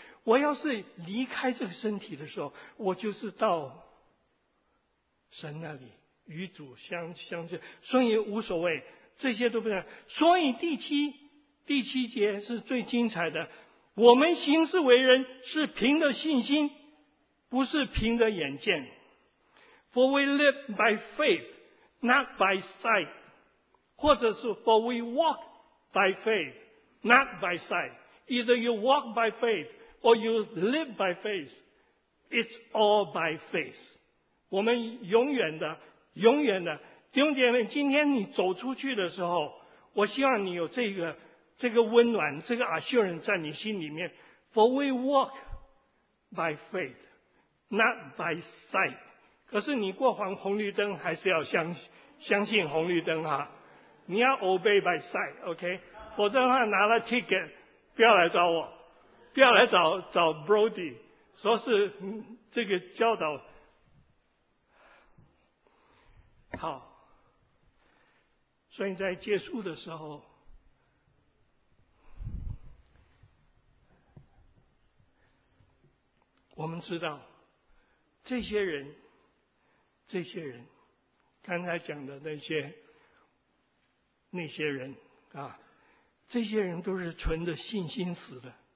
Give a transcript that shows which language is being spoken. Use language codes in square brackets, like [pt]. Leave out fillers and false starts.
[zh] 我要是离开这个身体的时候，我就是到神那里与主相见，所以无所谓，这些都不能。所以第七节是最精彩的，我们行事为人是凭着信心，不是凭着眼见。 [en] For we live by faith, not by sight. 或者是 For we walk by faith, not by sight. Either you walk by faith or you live by faith. It's all by faith. [zh] 我们永远的永远的弟兄姐妹，今天你走出去的时候，我希望你有这个温暖，这个 assurance 在你心里面。 [en] For we walk by faith, not by sight. [zh] 可是你过黄红绿灯还是要相信红绿灯哈。你要 [en] obey by sight, OK? [zh] 否则的话拿了 ticket, 不要来找我。不要来找 Brody, 说是这个教导。好。所以在结束的时候，我们知道这些人刚才讲的那些人啊，这些人都是存着信心死的。